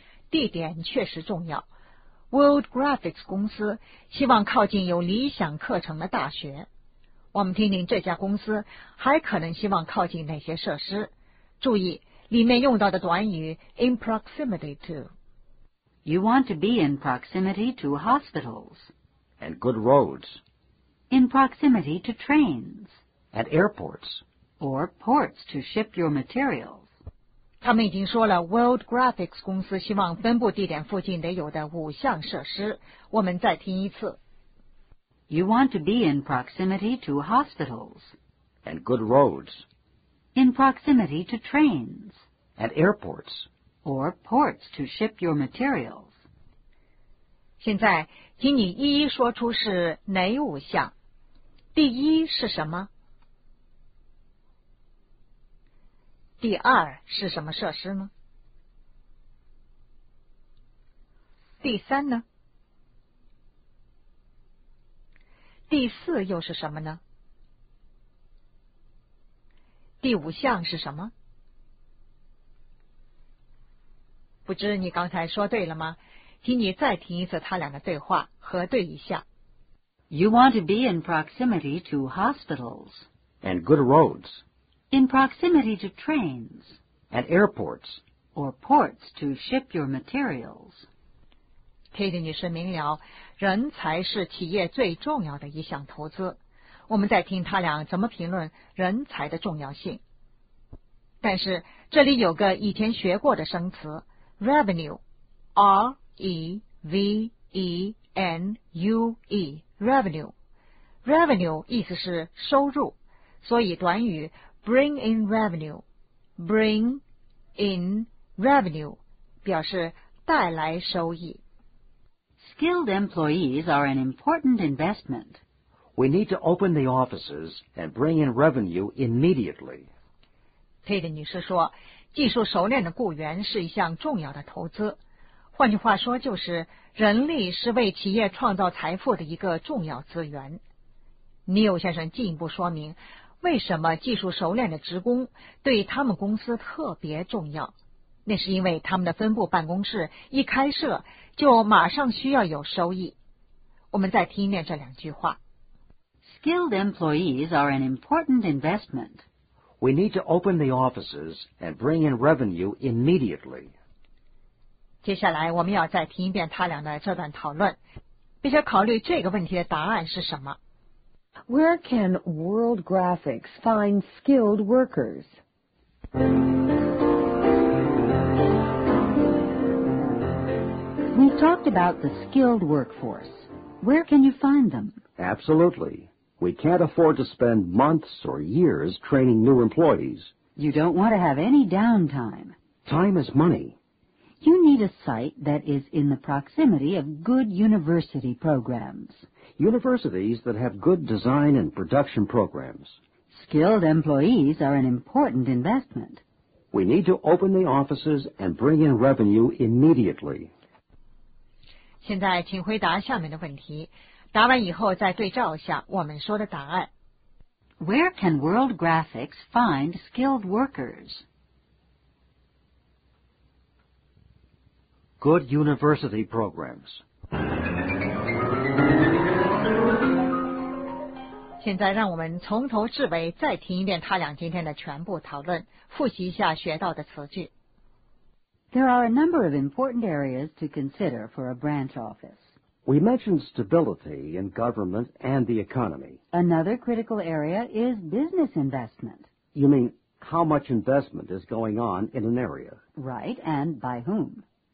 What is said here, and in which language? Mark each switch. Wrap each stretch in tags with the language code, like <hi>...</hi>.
<zh>地点确实重要。 World Graphics 公司希望靠近有理想课程的大学。我们听听这家公司还可能希望靠近哪些设施。注意里面用到的短语</zh> <en>in proximity to. You want to be in proximity to hospitals. And good roads. In proximity to trains. And airports. Or ports to ship your materials.</en> <zh>他们已经说了 World Graphics 公司希望分布地点附近得有的五项设施。我们再听一次。</zh> <en>You want to be in proximity to hospitals. And good roads. In proximity to trains. And airports. Or ports to ship your materials.</en> <zh>现在请你一一说出是哪五项。第一是什么？第二是什么设施呢？第三呢？第四又是什么呢？第五项是什么？不知你刚才说对了吗？请你再听一次他俩的对话，核对一下。</zh> <en>You want to be in proximity to hospitals. And good roads. In proximity to trains. And airports. Or ports to ship your materials.</en> <zh>Kate 女士明了，人才是企业最重要的一项投资。我们再听他俩怎么评论人才的重要性。但是这里有个以前学过的生词 ，revenue， R E V E N U E， revenue， revenue 意思是收入，所以短语</zh> <en>bring in revenue，</en> <zh>bring in revenue 表示带来收益。</zh> <en>Skilled employees are an important investment. We need to open the offices and bring in revenue immediately.</en> <zh>Kate 女士说，技术熟练的雇员是一项重要的投资。换句话说，就是人力是为企业创造财富的一个重要资源。 Neil 先生进一步说明，为什么技术熟练的职工对他们公司特别重要。那是因为他们的分部办公室一开设就马上需要有收益。我们再听一遍这两句话。 Skilled employees are an important investment. We need to open the offices and bring in revenue immediately. 接下来我们要再听一遍他俩的这段讨论，并且考虑这个问题的答案是什么。</zh> <en>Where can World Graphics find skilled workers? We've talked about the skilled workforce. Where can you find them? Absolutely. We can't afford to spend months or years training new employees. You don't want to have any downtime. Time is money. You need a site that is in the proximity of good university programs. Universities that have good design and production programs. Skilled employees are an important investment. We need to open the offices and bring in revenue immediately.</en> <zh>现在请回答下面的问题，答完以后再对照一下我们说的答案。</zh> <en>Where can World Graphics find skilled workers? Good university programs.</en> <zh>现在让我们从头至尾再听一遍他俩今天的全部讨论，复习一下学到的词句。</zh> <en>There are a number of important areas to consider for a branch office. We mentioned stability in government and the economy. Another critical area is business investment. You mean how much investment is going on in an area? Right, and by whom?</en>